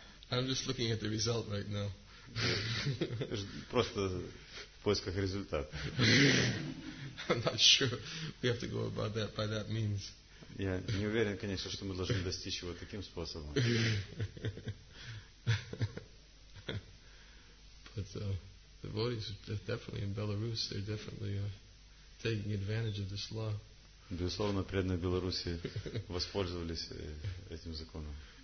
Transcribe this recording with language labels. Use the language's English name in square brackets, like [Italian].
[English] I'm just looking at the result right now. [Russian] Просто поисках результата. [English] I'm not sure we have to go about that by that means. [Russian] Я не уверен, конечно, что мы должны достичь его таким способом. [English] But the devotees definitely in Belarus, they're definitely taking advantage of this law. [Russian] Безусловно, преданные Беларуси воспользовались этим законом.